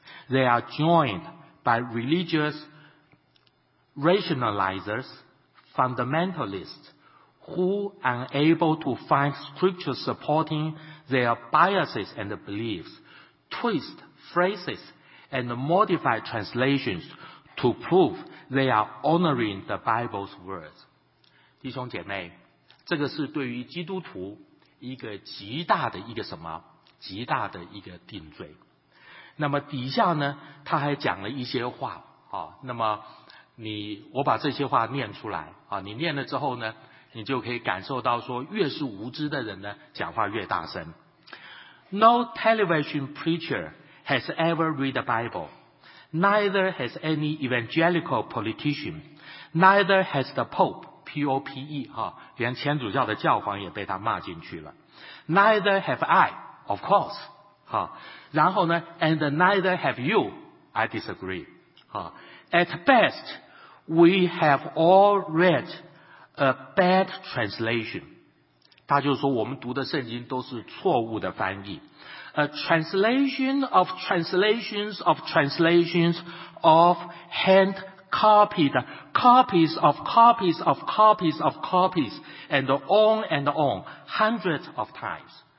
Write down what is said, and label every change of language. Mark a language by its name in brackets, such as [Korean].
[English] They are joined by religious rationalizers, fundamentalists, who, unable to find scripture supporting their biases and beliefs, twist phrases and modify translations to proveThey are honoring the Bible's words. [Chinese] 弟兄姐妹，这个是对于基督徒一个极大的一个什么？极大的一个定罪。那么底下呢，他还讲了一些话啊。那么我把这些话念出来啊，你念了之后呢，你就可以感受到说，越是无知的人呢，讲话越大声。 [English] No television preacher has ever read the Bible. Neither has any evangelical politician, neither has the Pope, P-O-P-E, [Chinese] 连前主教的教皇也被他骂进去了。 [English] Neither have I, of course, [Chinese] 然后呢 [English] and neither have you, I disagree. At best, we have all read a bad translation. [Chinese] 他就说我们读的圣经都是错误的翻译。 [English] A translation of translations of translations of hand copied copies of copies of copies of copies and on hundreds of times.